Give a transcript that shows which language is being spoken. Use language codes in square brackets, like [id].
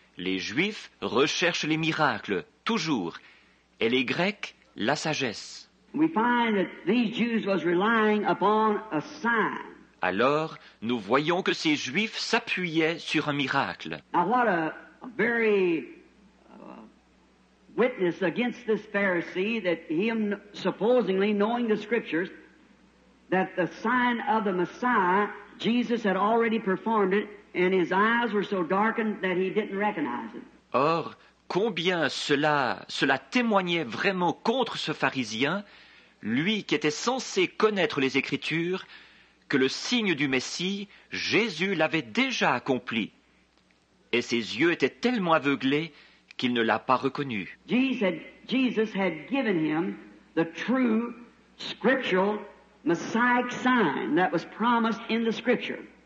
[fr] Les Juifs recherchent les miracles, toujours, et les Grecs, la sagesse. [en] We find that these Jews was relying upon a sign. [fr] Alors, nous voyons que ces Juifs s'appuyaient sur un miracle. [en] Now, what a very witness against this Pharisee, that him supposedly knowing the scriptures, that the sign of the Messiah, Jesus had already performed it, and his eyes were so darkened that he didn't recognize it. [fr] Or, combien cela témoignait vraiment contre ce pharisien, lui qui était censé connaître les Écritures, que le signe du Messie, Jésus l'avait déjà accompli. Et ses yeux étaient tellement aveuglés qu'il ne l'a pas reconnu. [en] Jesus had given him the true scriptural messiah sign that was promised in the scripture.